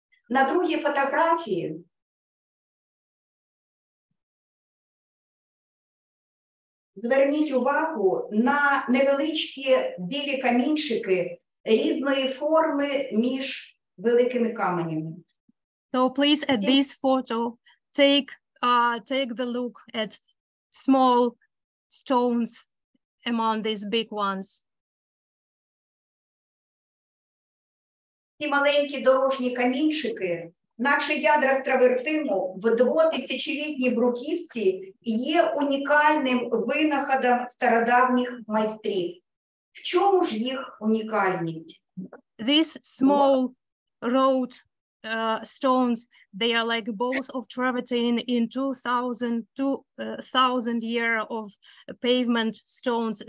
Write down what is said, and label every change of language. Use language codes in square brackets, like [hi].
[uk] На другій фотографії зверніть увагу на невеличкі білі камінчики різної форми між великими каменями. [en] So please at this photo take the look at small stones among these big ones. [uk] Ці маленькі дорожні камінчики, наче ядра стравертину в 2000-літній бруківці, є унікальним винаходом стародавніх майстрів. В чому ж їх унікальність? [en] These small road stones, they are like balls of travertine in 2000 year of pavement stones.